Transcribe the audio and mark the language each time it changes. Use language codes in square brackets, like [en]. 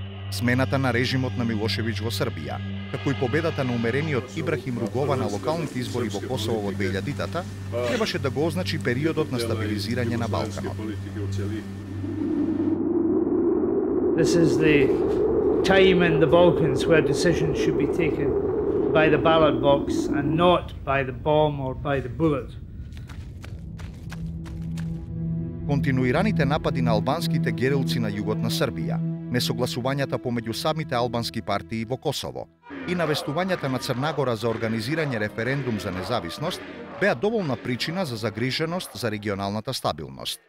[mk] Смената на режимот на Милошевич во Србија, како и победата на умерениот Ибрахим Ругова на локалните избори во Косово во 2000-тата, требаше да го означи периодот на стабилизирање на Балканот. [en] This is the time in the Balkans where decisions should be taken by the ballot box and not by the bomb or by the bullet. [mk] Континуираните напади на албанските герилци на југот на Србија, несогласувањата помеѓу самите албански партии во Косово и навестувањата на Црнагора за организирање референдум за независност беа доволна причина за загриженост за регионалната стабилност.